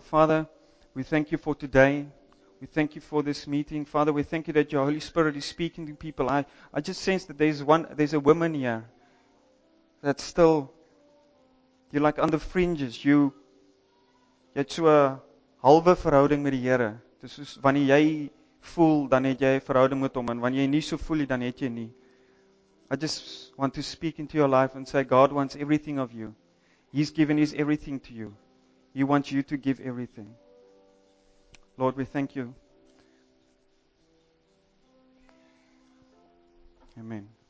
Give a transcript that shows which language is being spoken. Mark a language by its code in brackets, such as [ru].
[en] Father, we thank You for today. We thank You for this meeting. Father, we thank You that Your Holy Spirit is speaking to people. I just sense that there's a woman here that's still, you're like on the fringes. You're to a [af] halwe verhouding met die Here. Dis soos wanneer jy voel dan het jy 'n verhouding met hom en wanneer jy nie so voel nie dan het jy nie. [en] I just want to speak into your life and say God wants everything of you. He's given his everything to you. He wants you to give everything. Lord, we thank you. Amen.